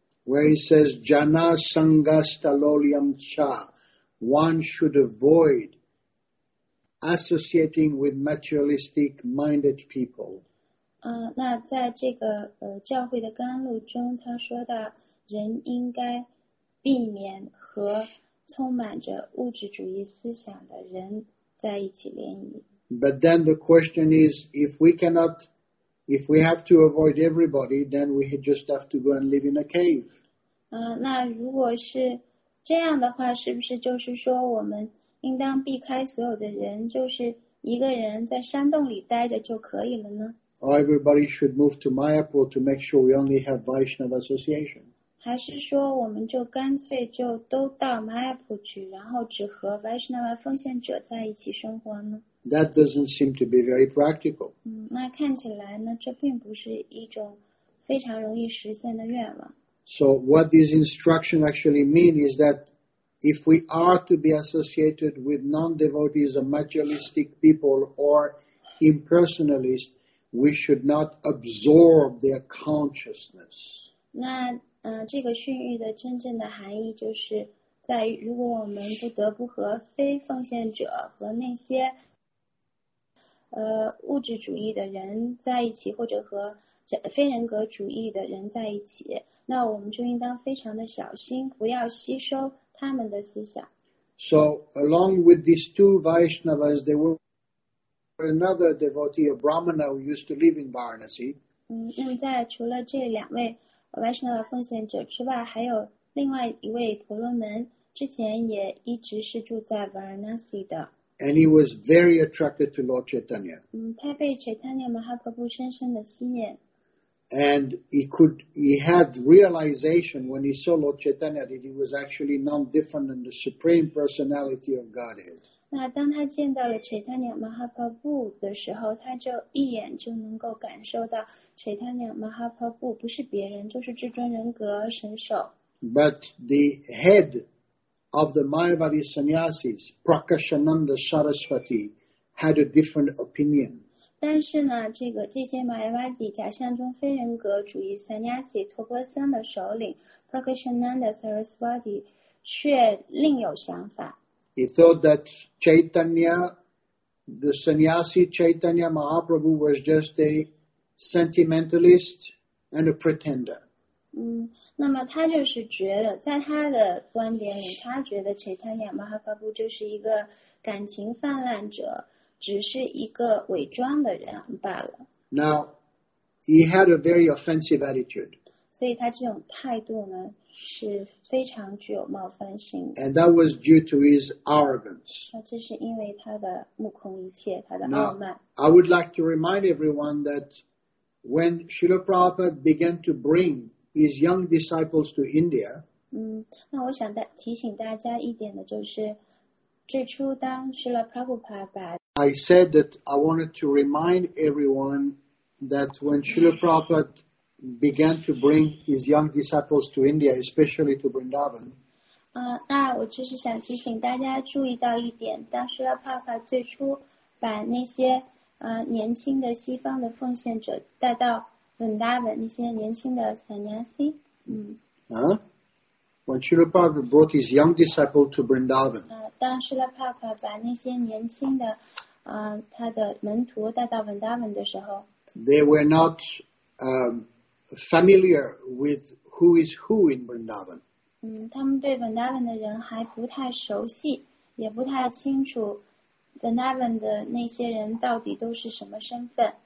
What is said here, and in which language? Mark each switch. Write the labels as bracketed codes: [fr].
[en] Where he says, [sa] Jana Sangasta Lolyam Cha, [en] one should avoid associating with materialistic minded people. [zh] 那在这个教会的甘露中，他说到人应该避免和充满着物质主义思想的人在一起联谊。 [en] But then the question is, if we have to avoid everybody, then we just have to go and live in a cave. [zh] 那如果是这样的话，是不是就是说我们应当避开所有的人，就是一个人在山洞里待着就可以了呢？ [en] Or everybody should move to Mayapur to make sure we only have Vaishnava association. [zh] 还是说我们就干脆就都到 Mayapur 去，然后只和 Vaishnava 奉献者在一起生活呢？ [en] That doesn't seem to be very practical. [zh] 那看起来呢，这并不是一种非常容易实现的愿望。 [en] So what these instructions actually mean is that if we are to be associated with non-devotees or materialistic people or impersonalists, we should not absorb their consciousness. [zh] 那这个训谕的真正的含义就是在于，如果我们不得不和非奉献者和那些物质主义的人在一起，或者和非人格主义的人在一起，那我们就应当非常的小心，不要吸收他们的思想。 [en] So along with these two Vaishnavas, there was another devotee, a Brahmana, who used to live in Varanasi. [zh] 在除了这两位 Vaishnava 奉献者之外，还有另外一位婆罗门，之前也一直是住在 Varanasi 的。 [en] And he was very attracted to Lord Chaitanya. [zh] 他被 Chaitanya Mahaprabhu 深深的吸引。 [en] And he had realization when he saw Lord Chaitanya that he was actually none different than the Supreme Personality of Godhead. [zh] 那当他见到了 Chaitanya Mahaprabhu 的时候，他就一眼就能够感受到 Chaitanya Mahaprabhu 不是别人，就是至尊人格神首。 [en] But the head of the Mayavadi sannyasis, Prakashananda Saraswati, had a different opinion. [zh] 但是呢，这些马耶瓦底假象中非人格主义 Sannyasi 托钵僧的首领 Prakashananda Saraswati 却另有想法。 [en] He thought that Chaitanya, the Sannyasi Chaitanya Mahaprabhu was just a sentimentalist and a pretender. [zh] 那么他就是觉得，在他的观点里，他觉得 Chaitanya Mahaprabhu 就是一个感情泛滥者。只是一个伪装的人罢了。 [en] Now, he had a very offensive attitude. [zh] 所以他这种态度呢，是非常具有冒犯性的。 [en] And that was due to his arrogance. [zh] 那这是因为他的目空一切，他的傲慢。 [en] Now, I would like to remind everyone that when Srila Prabhupada began to bring his young disciples to India. [zh] 嗯，那我想大提醒大家一点的就是，最初当Srila Prabhupada 把 [en] I said that I wanted to remind everyone that when Srila Prabhupada began to bring his young disciples to India, especially to Vrindavan. [zh] 那我就是想提醒大家注意到一点，当Srila Prabhupada 最初把那些年轻的西方的奉献者带到 Vrindavan 那些年轻的 sannyasi。嗯。 [en] When Srila Prabhupada brought his young disciple to Vrindavan. [zh] 当Srila Prabhupada 把那些年轻的他的门徒带到 Vrindavan 的时候。 [en] They were not familiar with who is who in Vrindavan. [zh] 嗯，他们对 Vrindavan 的人还不太熟悉，也不太清楚 Vrindavan 的那些人到底都是什么身份。